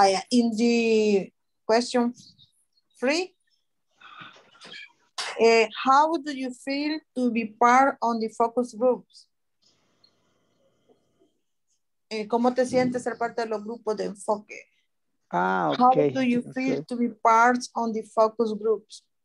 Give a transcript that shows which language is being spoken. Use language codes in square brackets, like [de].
[en] In the question three, how do you feel to be part on the focus groups? [es] ¿Cómo te sientes ser parte de los grupos de enfoque? [en] Okay. How do you feel to be part on the focus groups?